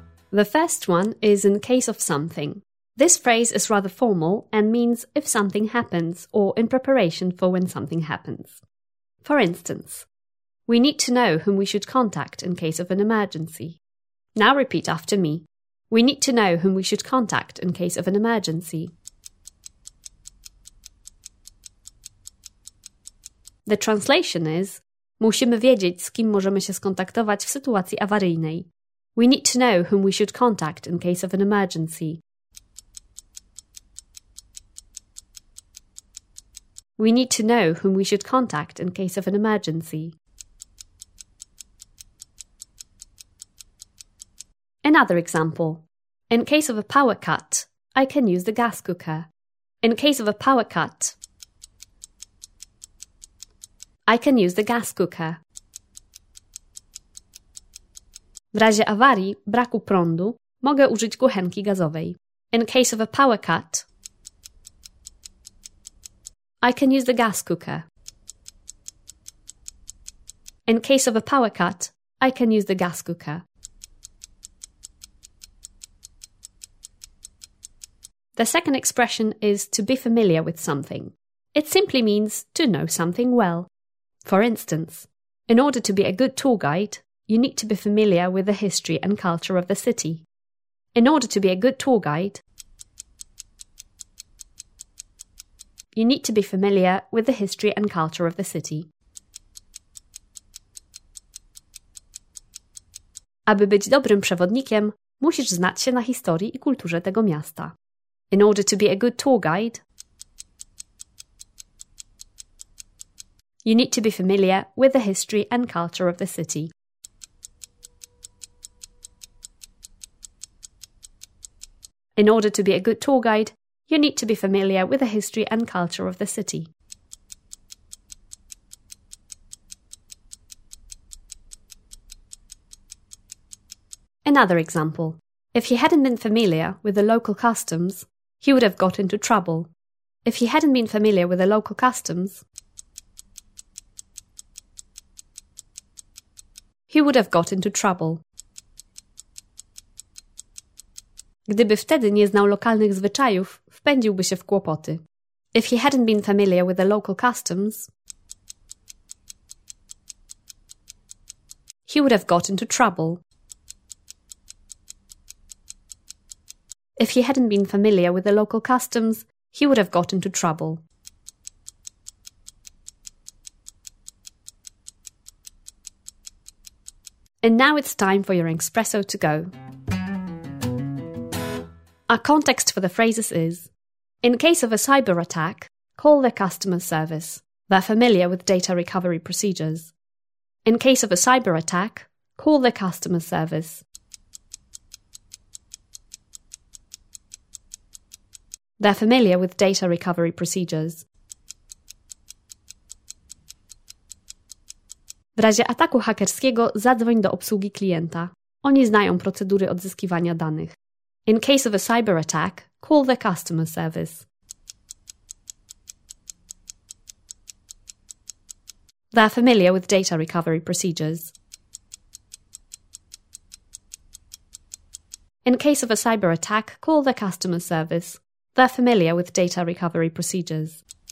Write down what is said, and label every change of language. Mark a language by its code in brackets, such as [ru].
[en] The first one is in case of something. This phrase is rather formal and means if something happens or in preparation for when something happens. For instance, we need to know whom we should contact in case of an emergency. Now repeat after me. We need to know whom we should contact in case of an emergency. The translation is: [pl] Musimy wiedzieć, z kim możemy się skontaktować w sytuacji awaryjnej. [en] We need to know whom we should contact in case of an emergency. We need to know whom we should contact in case of an emergency. Another example. In case of a power cut, I can use the gas cooker. In case of a power cut, I can use the gas cooker. [pl] W razie awarii, braku prądu, mogę użyć kuchenki gazowej. [en] In case of a power cut, I can use the gas cooker. In case of a power cut, I can use the gas cooker. The second expression is to be familiar with something. It simply means to know something well. For instance, in order to be a good tour guide, you need to be familiar with the history and culture of the city. In order to be a good tour guide, you need to be familiar with the history and culture of the city. [pl] Aby być dobrym przewodnikiem, musisz znać się na historii i kulturze tego miasta. [en] In order to be a good tour guide, you need to be familiar with the history and culture of the city. In order to be a good tour guide, you need to be familiar with the history and culture of the city. Another example. If he hadn't been familiar with the local customs, he would have got into trouble. If he hadn't been familiar with the local customs, he would have got into trouble. [pl] Gdyby wtedy nie znał lokalnych zwyczajów, wpędziłby się w kłopoty. [en] If he hadn't been familiar with the local customs, he would have got into trouble. If he hadn't been familiar with the local customs, he would have got into trouble. And now it's time for your espresso to go. Our context for the phrases is: in case of a cyber attack, call the customer service. They're familiar with data recovery procedures. In case of a cyber attack, call the customer service. They're familiar with data recovery procedures. [pl] W razie ataku hakerskiego zadzwoń do obsługi klienta. Oni znają procedury odzyskiwania danych. [en] In case of a cyber attack, call the customer service. They are familiar with data recovery procedures. In case of a cyber attack, call the customer service. They're familiar with data recovery procedures.